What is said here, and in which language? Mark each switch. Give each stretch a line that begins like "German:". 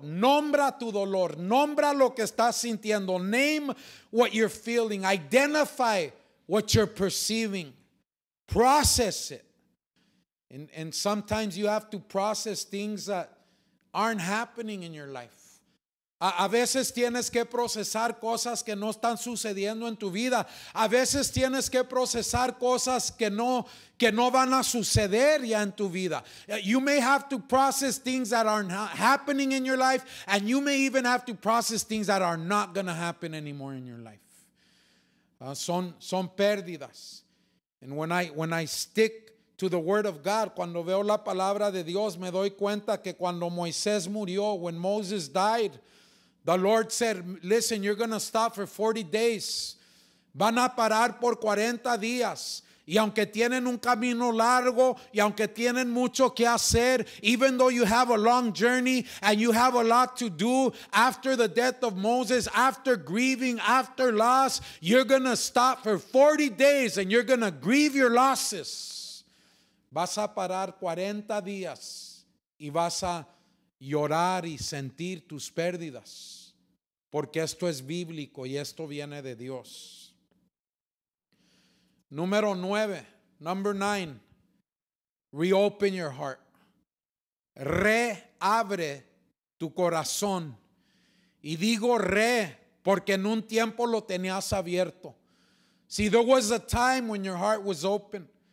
Spanish: Nombra tu dolor. Nombra lo que estás sintiendo.
English: Name what you're feeling. Identify what you're perceiving. Process it. And sometimes you have to process things that aren't happening in your life.
Spanish: A veces tienes que procesar cosas que no están sucediendo en tu vida. A veces tienes que procesar cosas que no van a suceder ya en tu vida.
English: You may have to process things that are not happening in your life, and you may even have to process things that are not going to happen anymore in your life.
Spanish: Son pérdidas.
English: And when I stick to the word of God,
Spanish: cuando veo la palabra de Dios, me doy cuenta que cuando Moisés murió,
English: when Moses died, the Lord said, listen, you're going to stop for 40 days.
Spanish: Van a parar por 40 días. Y aunque tienen un camino largo, y aunque tienen mucho que hacer,
English: even though you have a long journey and you have a lot to do after the death of Moses, after grieving, after loss, you're going to stop for 40 days and you're going to grieve your losses.
Spanish: Vas a parar 40 días y vas a llorar y sentir tus pérdidas, porque esto es bíblico y esto viene de Dios. Número 9,
English: number 9, reopen your heart.
Spanish: Reabre tu corazón. Y digo re porque en un tiempo lo tenías abierto.
English: See, there was a time when your heart was open.